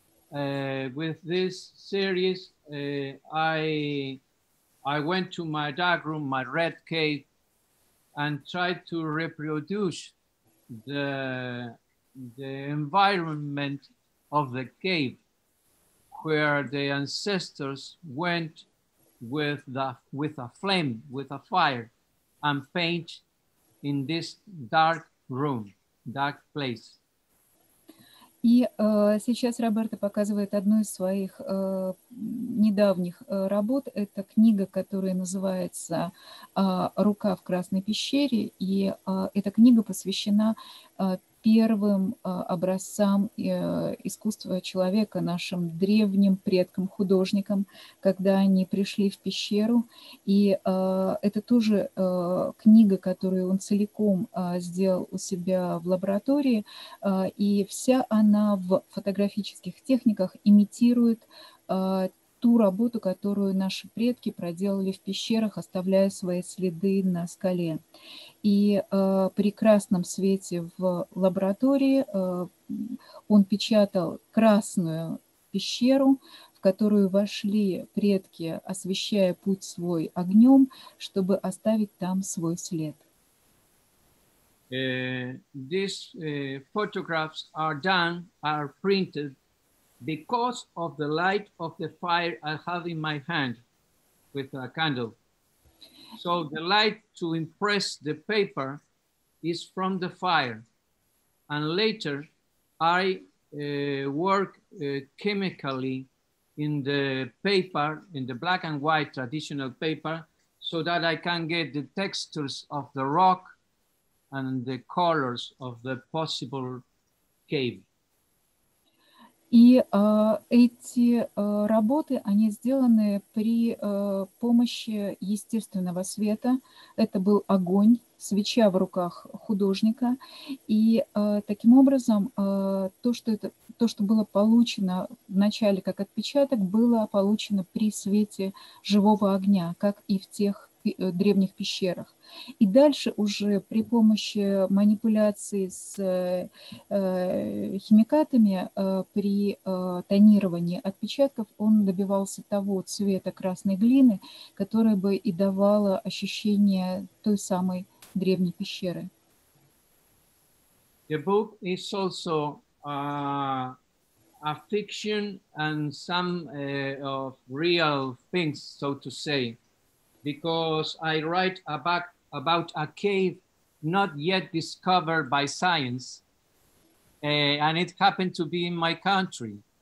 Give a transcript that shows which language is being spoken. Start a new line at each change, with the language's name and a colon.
English: With this series, I went to my darkroom, my red cave, and tried to reproduce the environment of the cave where the ancestors went with a fire, and paint in this dark room, dark place.
Russian: И сейчас Роберто показывает одну из своих недавних работ. Это книга, которая называется «Рука в красной пещере». И эта книга посвящена первым образцам искусства человека, нашим древним предкам-художникам, когда они пришли в пещеру. И это тоже книга, которую он целиком сделал у себя в лаборатории. И вся она в фотографических техниках имитирует ту работу, которую наши предки проделали в пещерах, оставляя свои следы на скале. И при красном свете в лаборатории он печатал красную пещеру, которую вошли предки, освещая путь свой огнем, чтобы оставить там свой след.
English: These photographs are done, are printed because of the light of the fire I have in my hand with a candle. So the light to impress the paper is from the fire. And later I work chemically in the paper, in the black and white traditional paper, so that I can get the textures of the rock and the colors of the possible cave.
Russian: И эти работы, они сделаны при помощи естественного света. Это был огонь, свеча в руках художника. И таким образом, то, что было получено вначале как отпечаток, было получено при свете живого огня, как и в тех древних пещерах. И дальше уже при помощи манипуляции с химикатами, при тонировании отпечатков, он добивался того цвета красной глины, которая бы и давала ощущение той самой древней пещеры.
English: The book is also a fiction and some of real things, so to say. Because I write about a cave not yet discovered by science, and it happened to be in my country.